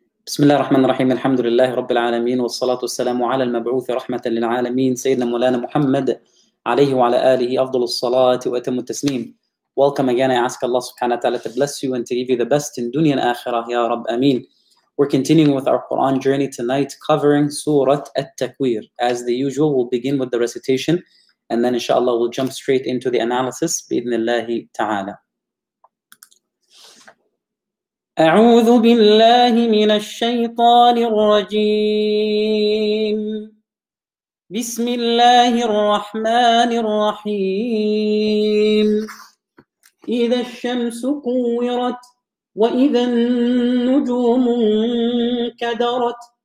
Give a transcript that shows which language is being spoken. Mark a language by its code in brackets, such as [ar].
[ar] بسم الله الرحمن الرحيم الحمد لله رب العالمين والصلاة والسلام على المبعوث رحمة للعالمين سيدنا مولانا محمد عليه وعلى آله أفضل الصلاة وأتم التسليم. [en] Welcome again. I ask Allah [ar] سبحانه وتعالى [en] to bless you and to give you the best in dunya and akhirah. [ar] يا رب أمين. [en] We're continuing with our Quran journey tonight, covering Surah At-Takwir. As the usual, we'll begin with the recitation, and then inshallah we'll jump straight into the analysis [ar] بإذن الله تعالى. أعوذ بالله من الشيطان الرجيم بسم الله الرحمن الرحيم إذا الشمس كورت وإذا النجوم انكدرت